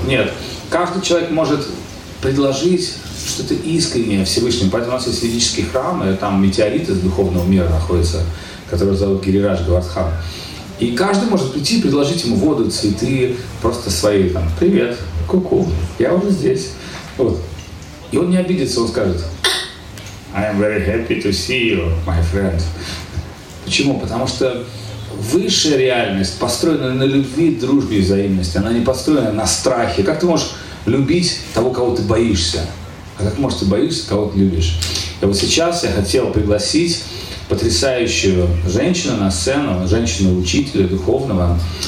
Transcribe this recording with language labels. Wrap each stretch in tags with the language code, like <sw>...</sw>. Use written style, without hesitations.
<ru>Нет, каждый человек может предложить что-то искреннее Всевышнему. Поэтому у нас есть ведический храм, и там метеорит из духовного мира находится, которого зовут Гирирадж Гавардхан. И каждый может прийти и предложить ему воду, цветы, просто свои там. «Привет, ку-ку, я уже здесь». Вот. И он не обидится, он скажет:</ru> <en>I am very happy to see you, my friend.</en> <ru>Почему? Потому что высшая реальность построена на любви, дружбе и взаимности. Она не построена на страхе. Как ты можешь любить того, кого ты боишься? А как можешь ты боишься, кого ты любишь? И вот сейчас я хотел пригласить потрясающую женщину на сцену, женщину-учителя духовного.</ru>